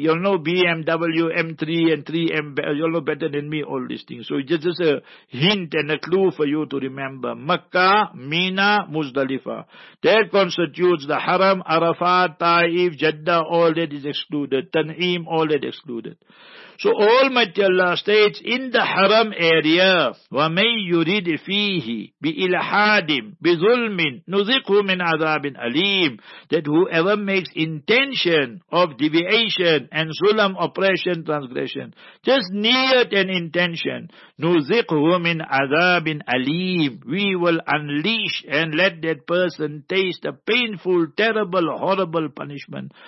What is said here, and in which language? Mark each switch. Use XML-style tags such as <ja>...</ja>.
<en>You'll know BMW, M3 and 3M. You'll know better than me all these things. So it's just a hint and a clue for you to remember. Makkah, Mina, Muzdalifah. That constitutes the haram. Arafat, Taif, Jeddah, all that is excluded. Tan'im, all that excluded. So Almighty Allah states, in the haram area,</en> <ar>وَمَنْ يُرِدْ فِيهِ بِإِلْحَادٍ بِظُلْمٍ نُذِقْهُ مِنْ عَذَابٍ أَلِيمٍ.</ar> <en>That whoever makes intention of deviation and zulm, oppression, transgression, just near an intention,</en> <ar>نُذِقْهُ مِنْ عَذَابٍ أَلِيمٍ.</ar> <en>We will unleash and let that person taste a painful, terrible, horrible punishment.</en>